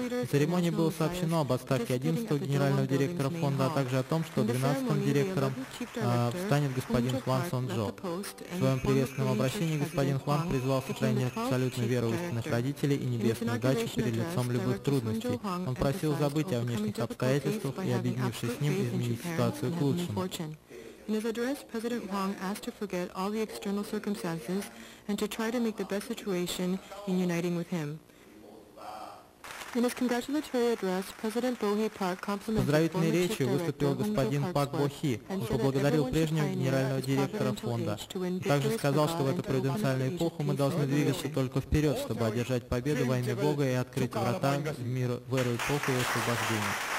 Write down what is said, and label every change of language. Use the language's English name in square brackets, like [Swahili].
[Russian] На церемонии было сообщено об отставке 11-го генерального директора фонда, а также о том, что 12-м директором станет господин Хван Сон Джо. В своем приветственном обращении господин Хван призвал сохранять абсолютную веру в истинных родителей и небесную удачу перед лицом любых трудностей. Он просил забыть о внешних обстоятельствах и, объединившись с ним, изменить ситуацию к лучшему. [English] In his address, President Huang asked to forget all the external circumstances and to try to make the best situation in uniting with him. In his congratulatory address, President Bohe Park complimented former chief director [Russian] господин Пак Бохи. Он поблагодарил прежнего генерального директора фонда. Также сказал, что в эту провиденциальную эпоху мы должны двигаться только вперед, чтобы одержать победу во имя Бога и открыть врата в мир в эру эпоху и освобождения.